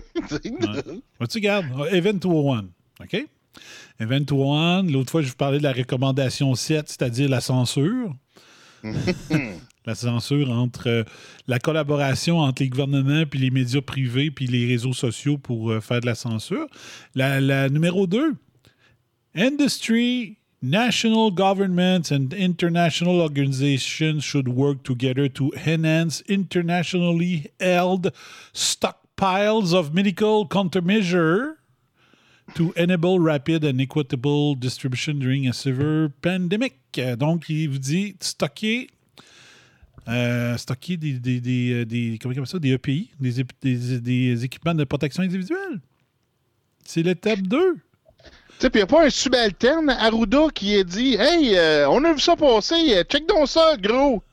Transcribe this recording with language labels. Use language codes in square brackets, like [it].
[fr] Ouais. Tu gardes. Event 201. OK? Event 201, l'autre fois, je vous parlais de la recommandation 7, c'est-à-dire la censure. La censure entre la collaboration entre les gouvernements puis les médias privés puis les réseaux sociaux pour faire de la censure. [en] La numéro 2, industry, national governments and international organizations should work together to enhance internationally held stockpiles of medical countermeasure to enable rapid and equitable distribution during a severe pandemic. [fr] Donc, il vous dit stocker. Stocker des EPI, des équipements de protection individuelle. C'est l'étape 2. Tu sais, puis il n'y a pas un subalterne, Arruda, qui a dit « Hey, on a vu ça passer, check donc ça, gros!